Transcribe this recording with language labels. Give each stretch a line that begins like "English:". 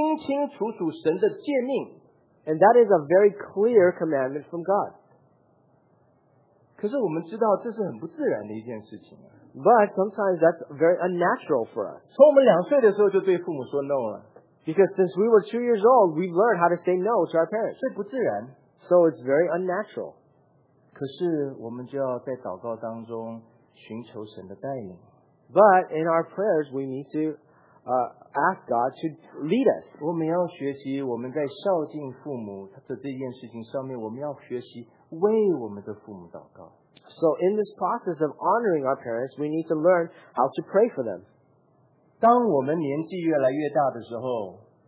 Chinese: 这不是模模糊糊神的心意，是清清楚楚神的诫命。
English: And that is a very clear commandment from God.
Chinese: 可是我们知道这是很不自然的一件事情。
English: But sometimes that's very unnatural for us.
Chinese: 从我们两岁的时候就对父母说
English: no
Chinese: 了。
English: Because since we were 2 years old, we've learned how to say no to our parents.
Chinese: 这不自然,
English: so it's very unnatural.
Chinese: 可是我们就要在祷告当中 寻求神的带领,
English: but in our prayers, we need to ask God to lead us.
Chinese: 我们要学习我们在孝敬父母这件事情上面，我们要学习为我们的父母祷告。
English: So in this process of honoring our parents, we need to learn how to pray for them.
Chinese: 当我们年纪越来越大的时候,